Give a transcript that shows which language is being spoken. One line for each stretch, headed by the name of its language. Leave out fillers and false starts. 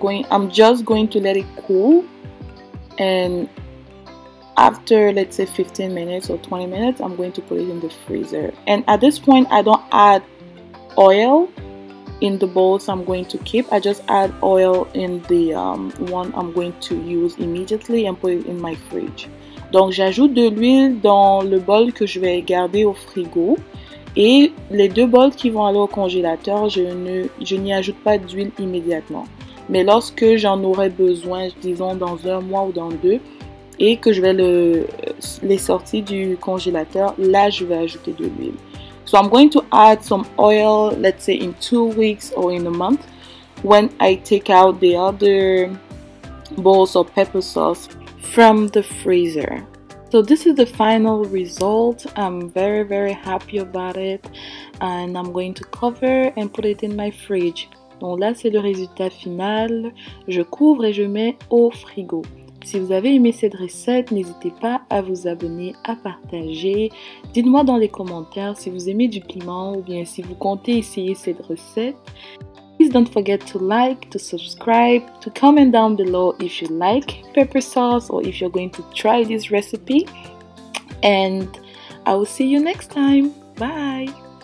English: I'm just going to let it cool and after, let's say 15 minutes or 20 minutes, I'm going to put it in the freezer. And at this point, I don't add oil in the bowls I'm going to keep. I just add oil in the one I'm going to use immediately and put it in my fridge.
French: Donc j'ajoute de l'huile dans le bol que je vais garder au frigo. Et les deux bols qui vont aller au congélateur, je n'y ajoute pas d'huile immédiatement. Mais lorsque j'en aurai besoin, disons dans un mois ou dans deux, et que je vais les sortir du congélateur, là je vais ajouter de l'huile.
English: So I'm going to add some oil, let's say in 2 weeks or in a month, when I take out the other bowls of pepper sauce from the freezer. So this is the final result. I'm very, very happy about it. And I'm going to cover and put it in my fridge.
French: Donc là, c'est le résultat final. Je couvre et je mets au frigo. Si vous avez aimé cette recette, n'hésitez pas à vous abonner, à partager. Dites-moi dans les commentaires si vous aimez du piment ou bien si vous comptez essayer cette recette.
English: Please don't forget to like, to subscribe, to comment down below if you like pepper sauce or if you're going to try this recipe. And I will see you next time. Bye!